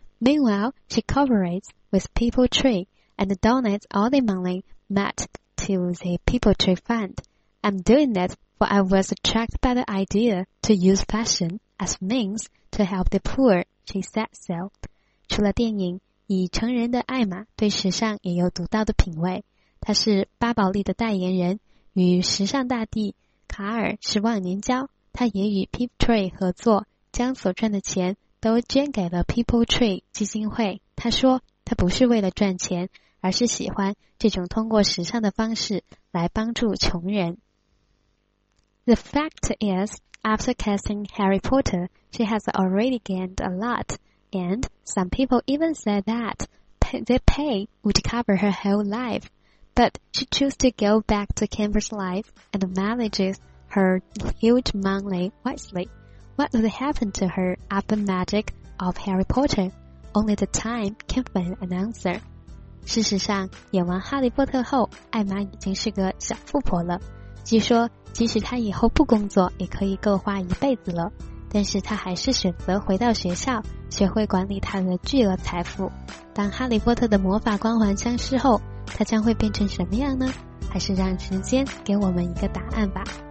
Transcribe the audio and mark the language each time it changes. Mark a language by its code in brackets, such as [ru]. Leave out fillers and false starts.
[en] Meanwhile, she cooperates with People Tree and donates all the money met to the People Tree Fund. I'm doing that for I was attracted by the idea to use fashion as means to help the poor, she said so. [zh] 除了电影，以成人的艾玛对时尚也有独到的品味。她是巴宝莉的代言人，与时尚大帝卡尔是忘年交。她也与 People Tree 合作，将所赚的钱都捐给了 People Tree 基金会。他说他不是为了赚钱，而是喜欢这种通过时尚的方式来帮助穷人。 [en] The fact is, after casting Harry Potter, she has already gained a lot, and some people even said that the pay would cover her whole life. But she chose to go back to campus life and manages her huge money wisely. What would happen to her after the magic of Harry Potter? Only the time can find an answer. [zh] 事实上，演完《哈利波特》后，艾玛已经是个小富婆了。据说，即使她以后不工作，也可以够花一辈子了。但是她还是选择回到学校，学会管理她的巨额财富。当《哈利波特》的魔法光环消失后，她将会变成什么样呢？还是让时间给我们一个答案吧。